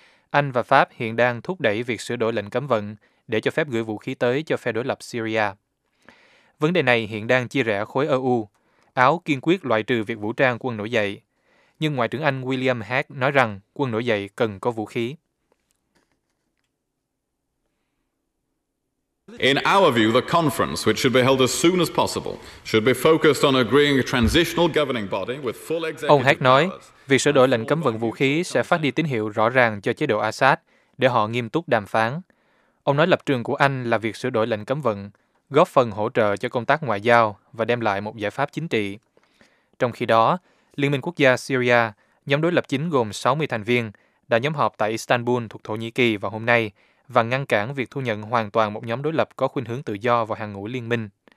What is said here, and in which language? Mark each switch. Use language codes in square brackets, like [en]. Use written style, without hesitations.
[vi] Anh và Pháp hiện đang thúc đẩy việc sửa đổi lệnh cấm vận để cho phép gửi vũ khí tới cho phe đối lập Syria. Vấn đề này hiện đang chia rẽ khối EU. Áo kiên quyết loại trừ việc vũ trang quân nổi dậy. Nhưng Ngoại trưởng Anh William Hague nói rằng quân nổi dậy cần có vũ khí. [en] In our view, the conference, which should be held as soon as possible, should be focused on agreeing a transitional governing body with full executive. [vi] Ông Hague nói, việc sửa đổi lệnh cấm vận vũ khí sẽ phát đi tín hiệu rõ ràng cho chế độ Assad để họ nghiêm túc đàm phán. Ông nói lập trường của Anh là việc sửa đổi lệnh cấm vận góp phần hỗ trợ cho công tác ngoại giao và đem lại một giải pháp chính trị. Trong khi đó, Liên minh quốc gia Syria, nhóm đối lập chính gồm 60 thành viên, đã nhóm họp tại Istanbul thuộc Thổ Nhĩ Kỳ vào hôm nay và ngăn cản việc thu nhận hoàn toàn một nhóm đối lập có khuynh hướng tự do vào hàng ngũ liên minh.